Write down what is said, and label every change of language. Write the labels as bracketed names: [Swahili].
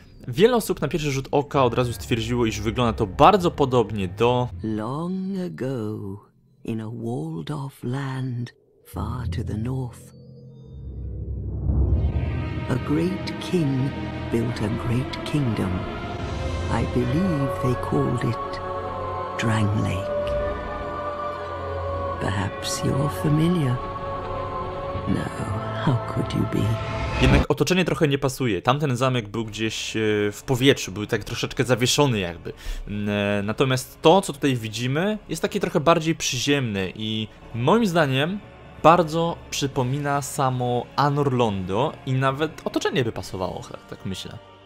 [Polish] Wiele osób na pierwszy rzut oka od razu stwierdziło, iż wygląda to bardzo podobnie do [English] Long ago, in a walled off land far to the north, a great king built a great kingdom. I believe they called it Dranglake. Perhaps you're familiar. No, how could you be? [Polish] Jednak otoczenie trochę nie pasuje. Tamten zamek był gdzieś w powietrzu, był tak troszeczkę zawieszony jakby. Natomiast to, co tutaj widzimy, jest takie trochę bardziej przyziemne i moim zdaniem bardzo przypomina samo Anor Londo i nawet otoczenie by pasowało, tak myślę.